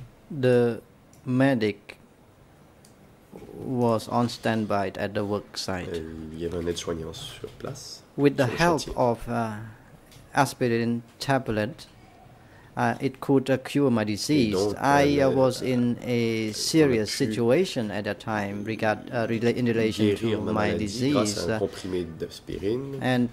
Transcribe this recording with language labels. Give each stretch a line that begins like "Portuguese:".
English: The medic was on standby at the work site.
French: Il y avait un aide-soignant sur place.
English: With the help of aspirin tablet, it could cure my disease. I was in a serious situation at that time in relation to my disease.
French: Grâce à un comprimé d'aspirine,
English: and